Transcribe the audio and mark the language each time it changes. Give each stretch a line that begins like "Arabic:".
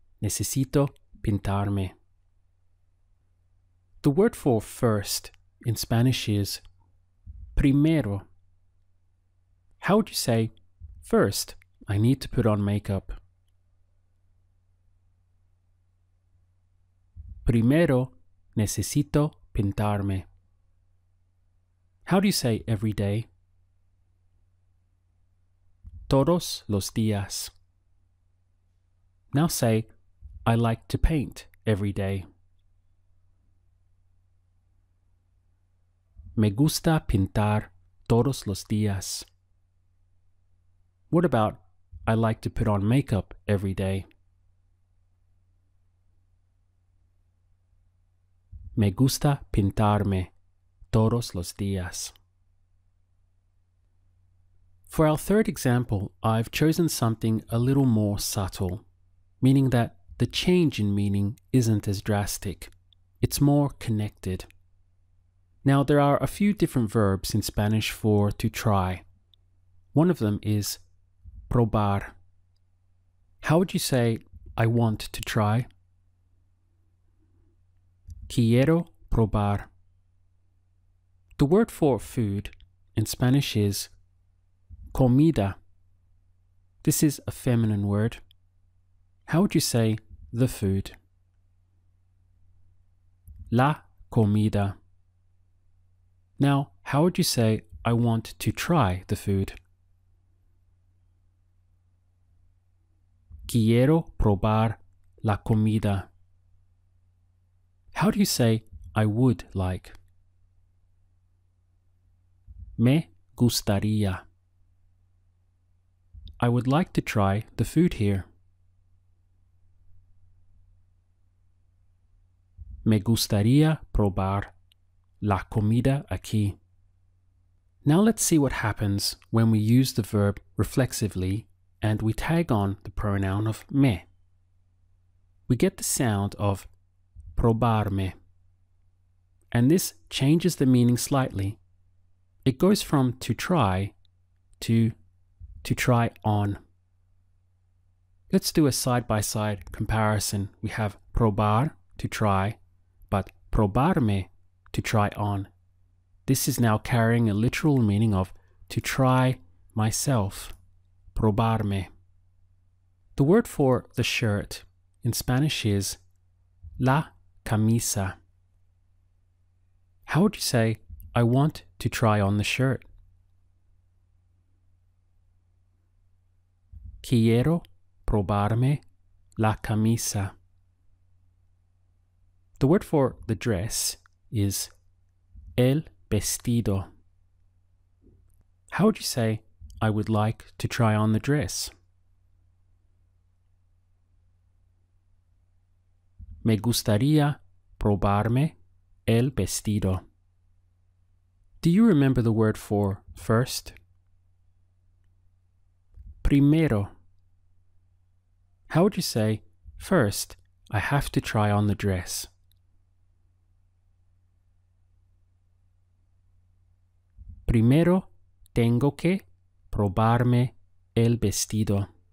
Spanish: Necesito pintarme.
English: The word for first in Spanish is primero. How would you say, first, I need to put on makeup?
Spanish: Primero necesito pintarme.
English: How do you say every day?
Spanish: Todos los días.
English: Now say, I like to paint every day.
Spanish: Me gusta pintar todos los días.
English: What about, I like to put on makeup every day?
Spanish: Me gusta pintarme todos los días.
English: For our third example, I've chosen something a little more subtle, meaning that the change in meaning isn't as drastic. It's more connected. Now, there are a few different verbs in Spanish for to try. One of them is probar. How would you say, I want to try?
Spanish: Quiero probar.
English: The word for food in Spanish is comida. This is a feminine word. How would you say the food?
Spanish: La comida.
English: Now, how would you say I want to try the food?
Spanish: Quiero probar la comida.
English: How do you say I would like?
Spanish: Me gustaría.
English: I would like to try the food here.
Spanish: Me gustaría probar la comida aquí.
English: Now let's see what happens when we use the verb reflexively and we tag on the pronoun of me. We get the sound of probarme. And this changes the meaning slightly. It goes from to try to try on. Let's do a side-by-side comparison. We have probar, to try, but probarme, to try on. This is now carrying a literal meaning of to try myself, probarme. The word for the shirt in Spanish is la camisa. How would you say, I want to try on the shirt?
Spanish: Quiero probarme la camisa.
English: The word for the dress is el vestido. How would you say I would like to try on the dress?
Spanish: Me gustaría probarme el vestido.
English: Do you remember the word for first? Primero. How would you say, first, I have to try on the dress?
Spanish: Primero tengo que probarme el vestido.